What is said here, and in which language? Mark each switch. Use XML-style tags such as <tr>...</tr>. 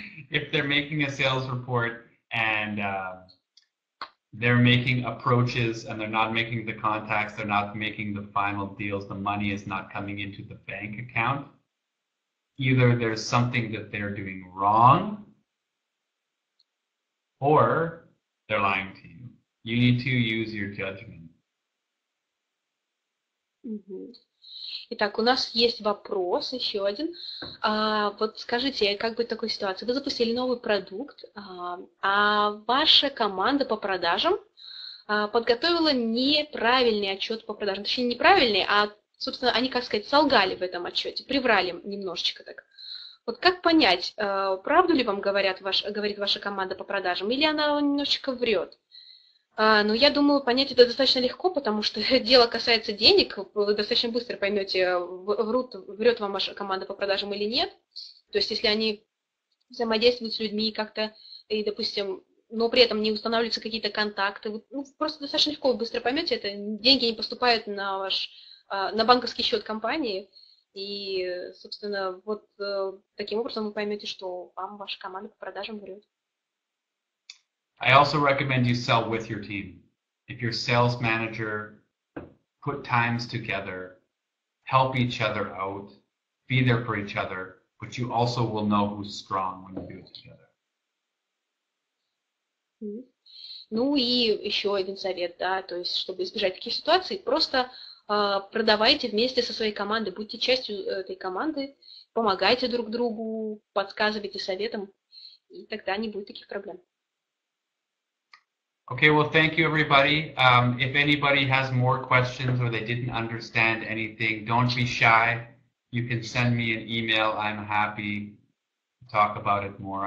<en>If they're making a sales report and they're making approaches and they're not making the contacts, they're not making the final deals, the money is not coming into the bank account, either there's something that they're doing wrong or they're lying to you. You need to use your judgment.</en> <ru>Итак, у нас есть вопрос, еще один. Вот скажите, как быть в такой ситуации? Вы запустили новый продукт, а ваша команда по продажам подготовила неправильный отчет по продажам. Точнее, неправильный, а собственно, они, как сказать, солгали в этом отчете, приврали немножечко так. Вот как понять, правду ли вам говорит ваша команда по продажам, или она немножечко врет? Ну, я думаю, понять это достаточно легко, потому что дело касается денег, вы достаточно быстро поймете, врет вам ваша команда по продажам или нет. То есть, если они взаимодействуют с людьми как-то, и, допустим, но при этом не устанавливаются какие-то контакты, вы, ну, просто достаточно легко, вы быстро поймете это, деньги не поступают на ваш, на банковский счет компании, и, собственно, вот таким образом вы поймете, что вам ваша команда по продажам врет.</ru> <en>I also recommend you sell with your team. If your sales manager put times together, help each other out, be there for each other, but you also will know who's strong when you do it together.</en> <ru>Ну и еще один совет, да, то есть, чтобы избежать таких ситуаций, просто продавайте вместе со своей командой, будьте частью этой команды, помогайте друг другу, подсказывайте советом, и тогда не будет таких проблем.</ru> <en>Okay, well, thank you, everybody. If anybody has more questions or they didn't understand anything, don't be shy. You can send me an email. I'm happy to talk about it more.</en>